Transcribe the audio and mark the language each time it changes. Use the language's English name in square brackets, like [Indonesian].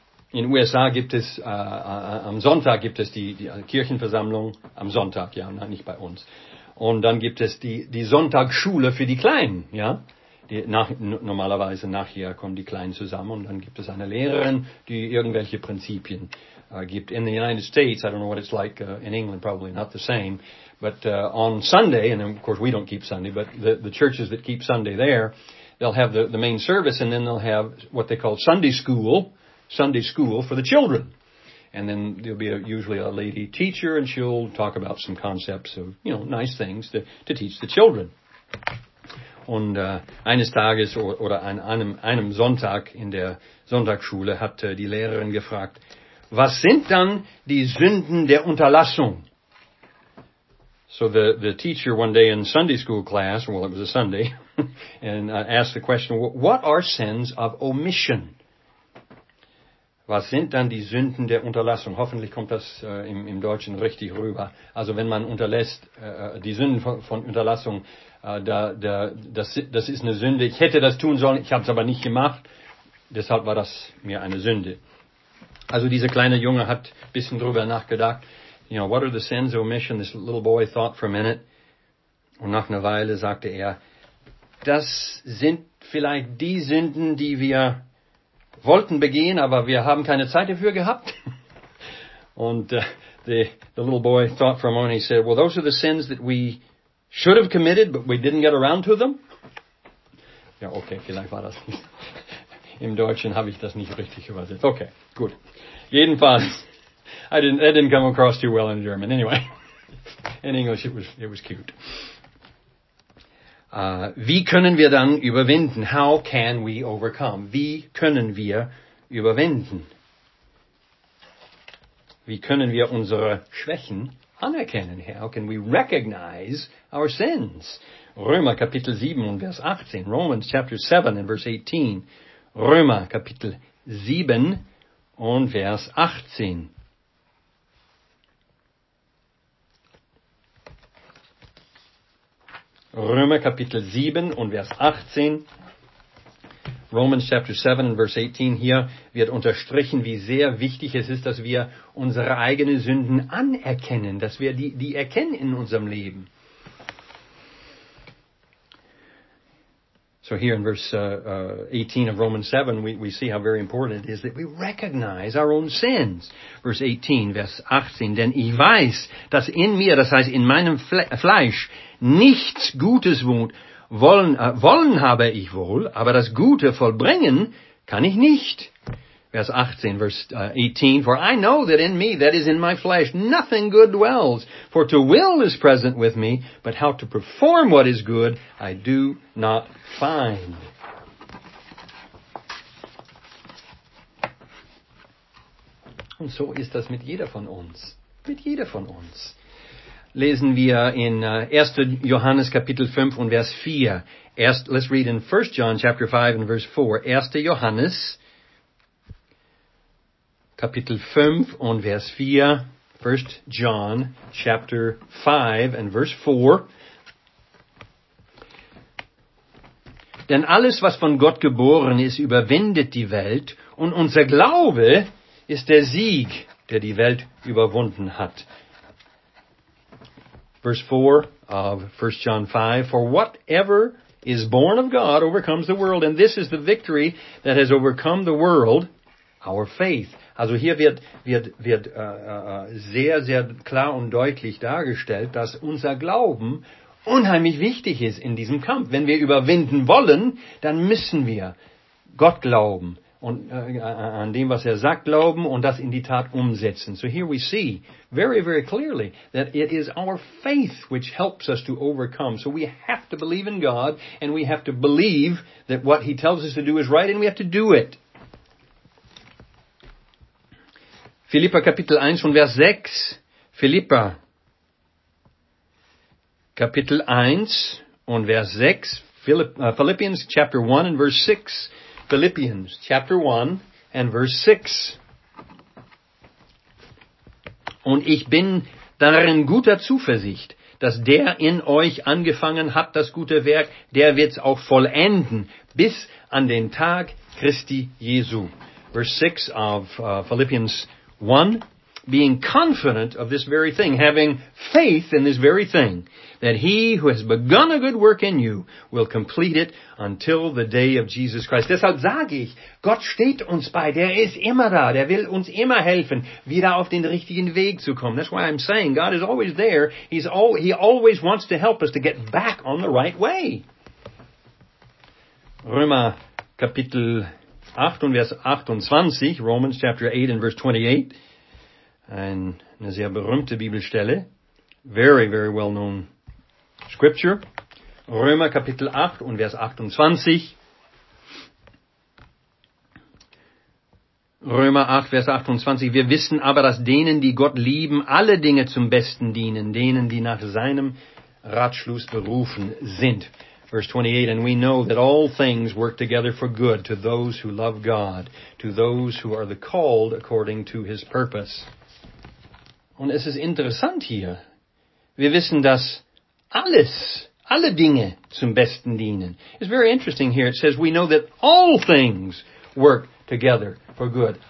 [German] In USA gibt es, am Sonntag gibt es die Kirchenversammlung, am Sonntag, ja, nicht bei uns. Und dann gibt es die Sonntagsschule für die Kleinen, ja. Normalerweise nachher kommen die Kleinen zusammen und dann gibt es eine Lehrerin, die irgendwelche Prinzipien gibt. [English] In the United States, I don't know what it's like, in England probably not the same, but on Sunday, and of course we don't keep Sunday, but the churches that keep Sunday there, they'll have the main service and then they'll have what they call Sunday school for the children. And then there'll be usually a lady teacher, and she'll talk about some concepts of, you know, nice things to teach the children. [German] Und eines Tages oder an einem Sonntag in der Sonntagsschule hat die Lehrerin gefragt, was sind dann die Sünden der Unterlassung? [English] So the teacher one day in Sunday school class, well, it was a Sunday, and asked the question, what are sins of omission? [German] Was sind dann die Sünden der Unterlassung? Hoffentlich kommt das im Deutschen richtig rüber. Also wenn man unterlässt, die Sünden von Unterlassung, das ist eine Sünde. Ich hätte das tun sollen, ich habe es aber nicht gemacht. Deshalb war das mir eine Sünde. Also dieser kleine Junge hat ein bisschen drüber nachgedacht. [English] You know, what are the sins of omission? This little boy thought for a minute. [German] Und nach einer Weile sagte er, das sind vielleicht die Sünden, die wir wollten begehen, aber wir haben keine Zeit dafür gehabt. Und [English] the little boy thought for a moment, he said, well, those are the sins that we should have committed, but we didn't get around to them. [German] Ja, okay, vielleicht war das nicht. Im Deutschen habe ich das nicht richtig übersetzt. Okay, gut. Jedenfalls, [English] that didn't come across too well in German. Anyway, in English it was cute. [German] Wie können wir dann überwinden? [English] How can we overcome? [German] Wie können wir überwinden? Wie können wir unsere Schwächen anerkennen? [English] How can we recognize our sins? [German] Römer Kapitel 7 und Vers 18. [English] Romans chapter 7 and verse 18. [German] Römer Kapitel 7 und Vers 18. Römer Kapitel 7 und Vers 18. [English] Romans chapter 7 and verse 18. [German] Hier wird unterstrichen, wie sehr wichtig es ist, dass wir unsere eigenen Sünden anerkennen, dass wir die erkennen in unserem Leben. [English] So here in verse 18 of Romans 7, we see how very important it is that we recognize our own sins. Verse 18, [German] Vers 18, denn ich weiß, dass in mir, das heißt in meinem Fleisch, nichts Gutes wohnt. Wollen habe ich wohl, aber das Gute vollbringen kann ich nicht. Vers 18, [English] verse 18, for I know that in me, that is in my flesh, nothing good dwells. For to will is present with me, but how to perform what is good, I do not find. [German] Und so ist das mit jeder von uns. Mit jeder von uns. Lesen wir in 1. Johannes Kapitel 5 und Vers 4. [English] Let's read in 1. John chapter 5 and verse 4. [German] 1. Johannes Kapitel 5 und Vers 4, [English] 1 John, chapter 5 and verse 4. [German] Denn alles, was von Gott geboren ist, überwindet die Welt, und unser Glaube ist der Sieg, der die Welt überwunden hat. [English] Verse 4 of 1 John 5, for whatever is born of God overcomes the world, and this is the victory that has overcome the world, our faith. [German] Also hier wird sehr, sehr klar und deutlich dargestellt, dass unser Glauben unheimlich wichtig ist in diesem Kampf. Wenn wir überwinden wollen, dann müssen wir Gott glauben und an dem, was er sagt, glauben und das in die Tat umsetzen. [English] So here we see very, very clearly that it is our faith which helps us to overcome. So we have to believe in God, and we have to believe that what he tells us to do is right, and we have to do it. [German] Philipper Kapitel 1 und Vers 6. Philipper Kapitel 1 und Vers 6. [English] Philippians chapter 1 and verse 6. Philippians chapter 1 and verse 6. [German] Und ich bin darin guter Zuversicht, dass der in euch angefangen hat, das gute Werk, der wird's auch vollenden, bis an den Tag Christi Jesu. [English] Verse 6 of Philippians 1, being confident of this very thing, having faith in this very thing, that he who has begun a good work in you will complete it until the day of Jesus Christ. [German] Deshalb sage ich, Gott steht uns bei, der ist immer da, der will uns immer helfen, wieder auf den richtigen Weg zu kommen. [English] That's why I'm saying, God is always there, he always wants to help us to get back on the right way. [German] Römer Kapitel 8 und Vers 28, [English] Romans chapter 8 and verse 28. [German] Eine sehr berühmte Bibelstelle. [English] Very, very well known scripture. [German] Römer Kapitel 8 und Vers 28. Römer 8, Vers 28. Wir wissen aber, dass denen, die Gott lieben, alle Dinge zum Besten dienen, denen, die nach seinem Ratschluss berufen sind. [English] Verse 28, and we know that all things work together for good to those who love God, to those who are the called according to his purpose. [German] Und es ist interessant hier. Wir wissen, dass alles, alle Dinge zum Besten dienen. [English] It's very interesting here. It says, we know that all things work together for good.